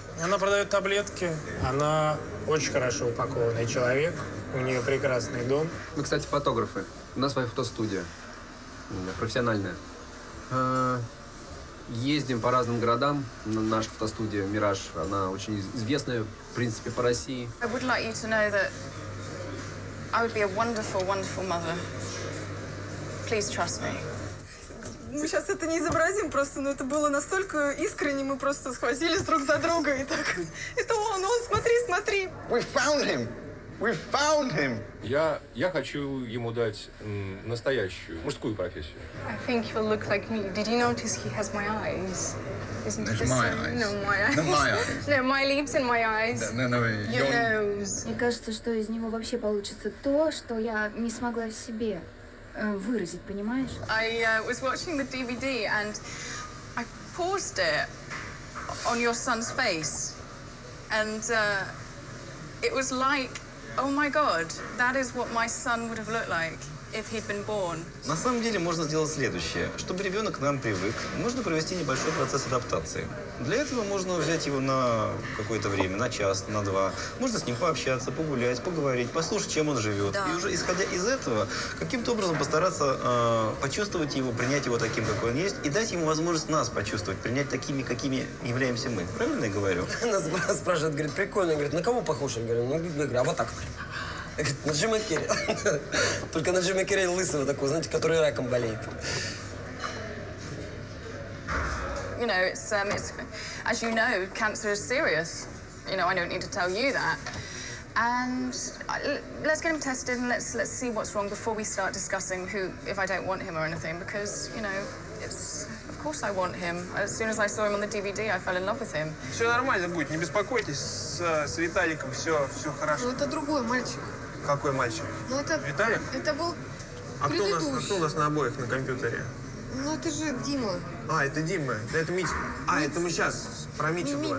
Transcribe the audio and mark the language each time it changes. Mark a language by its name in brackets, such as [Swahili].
[Russian] Она продает таблетки, она очень хорошо упакованный человек, у нее прекрасный дом. Мы, кстати, фотографы, у нас своя фотостудия, профессиональная. Ездим по разным городам. Наша фотостудия «Мираж», она очень известная, в принципе, по России. [English] I would like you to know that I would be a wonderful, wonderful mother. Please trust me. [Russian] Мы сейчас это не изобразим просто, но это было настолько искренне, мы просто схватились друг за друга и так. Это он, смотри, смотри. [English] We found him. We found him. [Russian] Я хочу ему дать настоящую мужскую профессию. [English] I think he will look like me. Did you notice he has my eyes? Isn't it my eyes? No, my eyes. No, my lips and my eyes. No, your nose. [Russian] Мне кажется, что из него вообще получится то, что я не смогла в себе выразить, понимаешь? [English] I was watching the DVD and I paused it on your son's face and it was like, oh my God, that is what my son would have looked like if he'd been born. [Russian] На самом деле можно сделать следующее. Чтобы ребенок к нам привык, можно провести небольшой процесс адаптации. Для этого можно взять его на какое-то время, на час, на два. Можно с ним пообщаться, погулять, поговорить, послушать, чем он живет. Да. И уже исходя из этого, каким-то образом постараться почувствовать его, принять его таким, какой он есть, и дать ему возможность нас почувствовать, принять такими, какими являемся мы. Правильно я говорю? Она спрашивает, говорит, прикольно. Говорит, на кого похож? Я говорю, ну, а вот так. Говорит, на Джима Керри. Только на Джима Керри лысого такого, знаете, который раком болеет. [English] You know, it's as you know, cancer is serious. You know, I don't need to tell you that. And let's get him tested and let's see what's wrong before we start discussing who, if I don't want him or anything, because, you know, it's, of course I want him. As soon as I saw him on the DVD, I fell in love with him. [Russian] Все нормально будет, не беспокойтесь, с Виталиком все хорошо. Ну, это другой мальчик. Какой мальчик? Ну, это... Виталик? Это был предыдущий. А кто у нас на обоих на компьютере? Ну, это же Дима. А, это Дима. Да, это Митя. А, это мы сейчас про Митю говорим.